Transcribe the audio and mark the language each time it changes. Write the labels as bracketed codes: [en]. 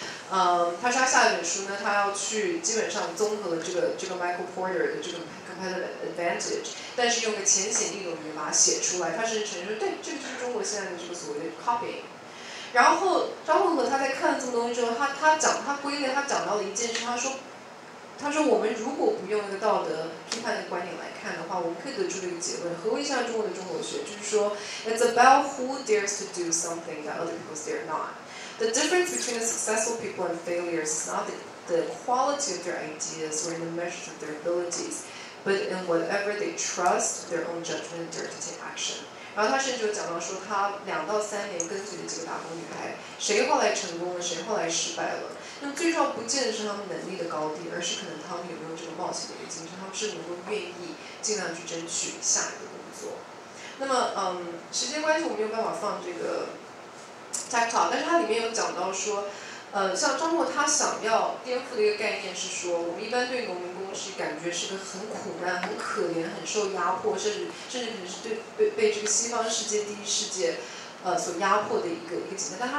[zh] 他说他下一本书呢，他要去基本上综合了这个 Michael Porter 的这个 competitive advantage， 但是用个浅显易懂语言把它写出来。他甚至承认说，对，这个就是中国现在的这个所谓的 copying。然后张凤和他在看了这么东西之后，他讲到了一件事，他说我们如果不用一个道德批判的观点来看的话，我们可以得出这个结论：何为像中国的中国学？就是说 [en] ，it's about who dares to do something that other people dare not。 The difference between the successful people and failures is not the quality of their ideas or in the measure of their abilities, but in whatever they trust their own judgment and dare to take action. [zh] 然后他甚至有讲到说，他两到三年跟随的几个打工女孩，谁后来成功了，谁后来失败了。那么最重要不见得是他们能力的高低，而是可能他们有没有这个冒险的一个精神，他们是能够愿意尽量去争取下一个工作。那么，时间关系，我没有办法放这个。TikTok， 但是它里面有讲到说，像张默他想要颠覆的一个概念是说，我们一般对农民工是感觉是个很苦难、很可怜、很受压迫，甚至可能是被这个西方世界、第一世界，所压迫的一个景象。